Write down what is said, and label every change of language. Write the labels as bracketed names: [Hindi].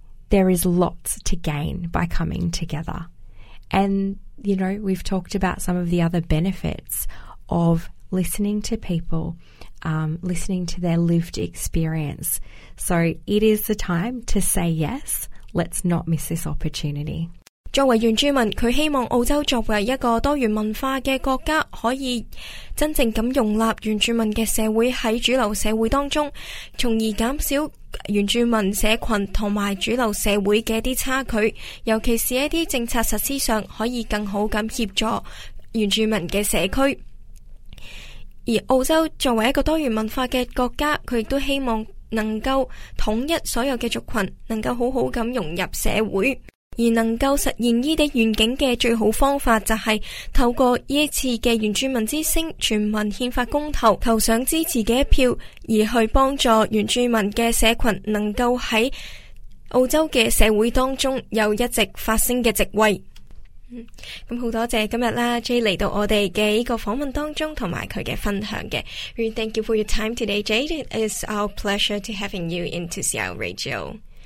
[English] There is lots to gain by coming together. And you know, we've talked about some of the other benefits of listening to people, listening to their lived experience. So it is the time to say yes. Let's not miss this opportunity. [Cantonese] 作为原住民，他希望澳洲作为一个多元文化的国家，可以真正地容纳原住民的社会在主流社会当中，从而减少原住民社群和主流社会的一些差距，尤其是一些政策实施上可以更好地协助原住民的社区。而澳洲作为一个多元文化的国家，他亦都希望能够统一所有的族群，能够好好地融入社会。而能够实现这些愿景的最好方法，就是透过这次的原住民之声全民宪法公投投上支持的一票，而去帮助原住民的社群能够在澳洲的社会当中有一直发声的席位。咁好多谢今日啦 ,J 嚟到我哋嘅呢个访问当中同埋佢嘅分享嘅。 [English] And thank you for your time today, J. It is our pleasure to having you into CIO Radio.